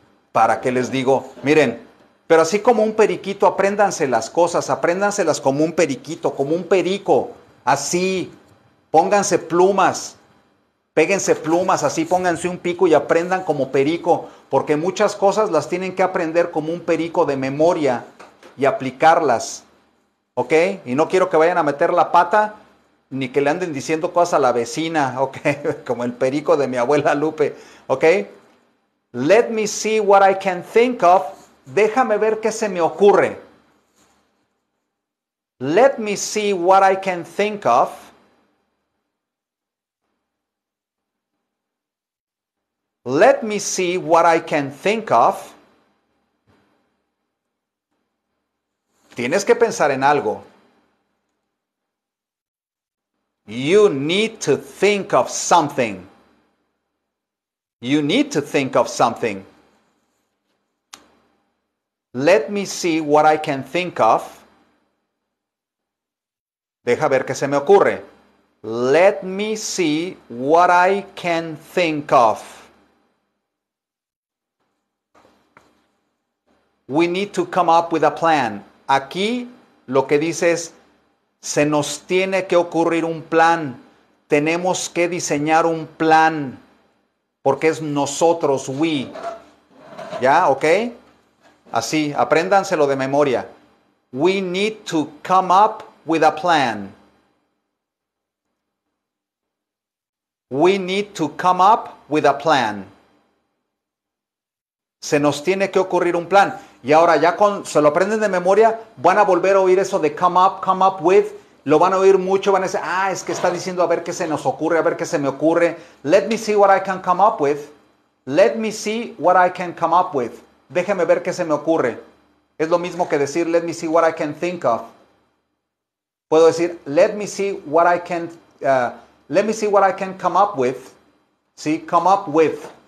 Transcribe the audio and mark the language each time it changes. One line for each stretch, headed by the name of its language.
Spanish: ¿Para qué les digo? Miren, pero así como un periquito, apréndanse las cosas, apréndanselas como un periquito, como un perico, así, pónganse plumas, péguense plumas, así pónganse un pico y aprendan como perico, porque muchas cosas las tienen que aprender como un perico de memoria y aplicarlas. ¿Ok? Y no quiero que vayan a meter la pata, ni que le anden diciendo cosas a la vecina, ¿ok? Como el perico de mi abuela Lupe, ¿ok?
English: Let me see what I can think of.
Spanish: Déjame ver qué se me ocurre.
English: Let me see what I can think of. Let me see what I can think of.
Spanish: Tienes que pensar en algo.
English: You need to think of something. You need to think of something. Let me see what I can think of.
Spanish: Deja ver qué se me ocurre.
English: Let me see what I can think of. We need to come up with a plan.
Spanish: Aquí lo que dice es, se nos tiene que ocurrir un plan. Tenemos que diseñar un plan. Porque es nosotros, we. ¿Ya? ¿Ok? Así, apréndanselo de memoria.
English: We need to come up with a plan. We need to come up with a plan.
Spanish: Se nos tiene que ocurrir un plan. Y ahora ya con se lo aprenden de memoria, van a volver a oír eso de
English: come up with.
Spanish: Lo van a oír mucho, van a decir, ah, es que está diciendo a ver qué se nos ocurre, a ver qué se me ocurre.
English: Let me see what I can come up with. Let me see what I can come up with.
Spanish: Déjeme ver qué se me ocurre. Es lo mismo que decir,
English: let me see what I can think of.
Spanish: Puedo decir,
English: let me see what I can, let me see what I can come up with. ¿Sí? Come up with.